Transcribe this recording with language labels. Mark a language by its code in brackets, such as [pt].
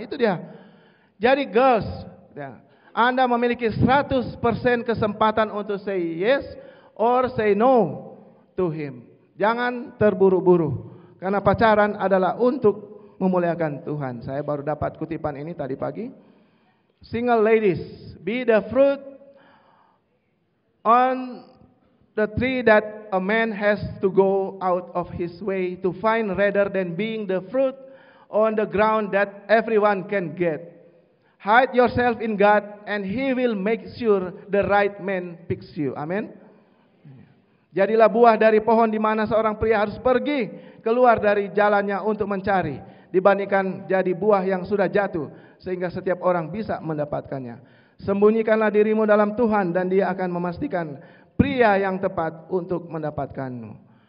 [id] Itu dia. Jadi girls, ya, Anda memiliki 100% kesempatan untuk [en] say yes or say no to him. [id] Jangan terburu-buru. Karena pacaran adalah untuk memuliakan Tuhan. Saya baru dapat kutipan ini tadi pagi. [en] Single ladies, be the fruit on the tree that a man has to go out of his way to find rather than being the fruit on the ground that everyone can get. Hide yourself in God and he will make sure the right man picks you. Amen. [id] Jadilah buah dari pohon di mana seorang pria harus pergi keluar dari jalannya untuk mencari, dibandingkan jadi buah yang sudah jatuh sehingga setiap orang bisa mendapatkannya. Sembunyikanlah dirimu dalam Tuhan dan dia akan memastikan pria yang tepat untuk mendapatkanmu.